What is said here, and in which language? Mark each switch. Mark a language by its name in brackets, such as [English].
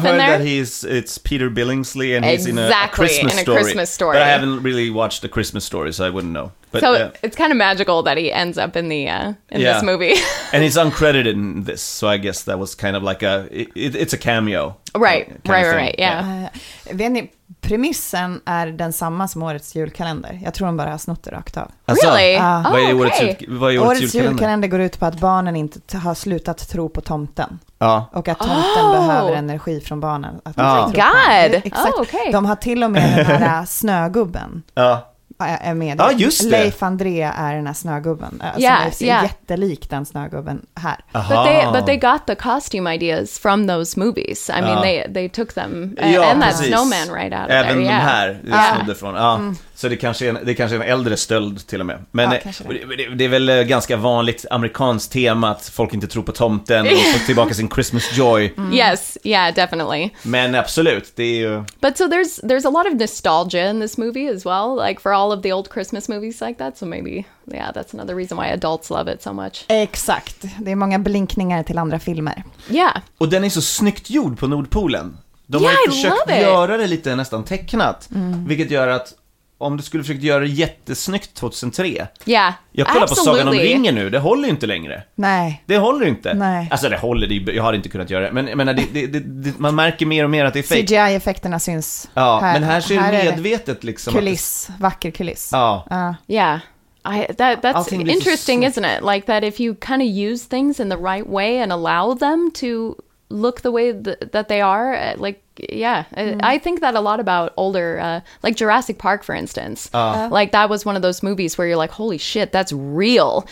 [English] in there? I've heard that it's Peter Billingsley and he's exactly, in a Christmas story. Exactly, in a Christmas story. But I haven't really watched a Christmas story, so I wouldn't know. But, so it's kind of magical that he ends up in the this movie. And he's uncredited in this, so I guess that was kind of like a... It's a cameo. Right, yeah. [Swedish] Vet ni, premissen är densamma som årets julkalender. Jag tror de bara har snott det rakt av. [English] Really? [Swedish] Årets julkalender går ut på att barnen inte har slutat tro på tomten. Ja. Och att tomten behöver energi från barnen. [English] Oh my god! Okay. [Swedish] De har till och med den här snögubben. Ja. Är med. Ja, just det. Leif André är den här snögubben. Som är jättelik den snögubben här. [English] But they got the costume ideas from those movies. I mean, they took them. [Swedish] Ja, [English] and [Swedish] precis. [English] That snowman right out [Swedish] Även [English] of there. [Swedish] Även de här snodde från. Ja. Mm. Så det kanske är en äldre stöld till och med. Men det är väl ganska vanligt amerikanskt tema att folk inte tror på tomten och får tillbaka sin Christmas joy. Mm. [English] Yes, yeah, definitely. [Swedish] Men absolut, det är ju... [English] But so there's a lot of nostalgia in this movie as well, like for all of the old Christmas movies like that, so maybe, yeah, that's another reason why adults love it so much. [Swedish] Exakt, det är många blinkningar till andra filmer. [English] Yeah. [Swedish] Och den är så snyggt gjord på Nordpolen. De har försökt göra det lite nästan tecknat, vilket gör att om du skulle försöka göra det jättesnyggt 2003. [English] Yeah, [Swedish] jag kollar på Sagan om ringen nu. Det håller inte längre. Nej. Det håller inte. Nej. Alltså det håller. Jag har inte kunnat göra det. Men jag menar, det, man märker mer och mer att det är fake. CGI-effekterna syns här. Men här ser du medvetet liksom. Kuliss. Det... Vacker kuliss. Ja. [English] Yeah. That's interesting, isn't it? Like that if you kind of use things in the right way and allow them to look the way that they are, like, yeah, I think that a lot about older, like Jurassic Park, for instance. Like that was one of those movies where you're like, holy shit, that's real.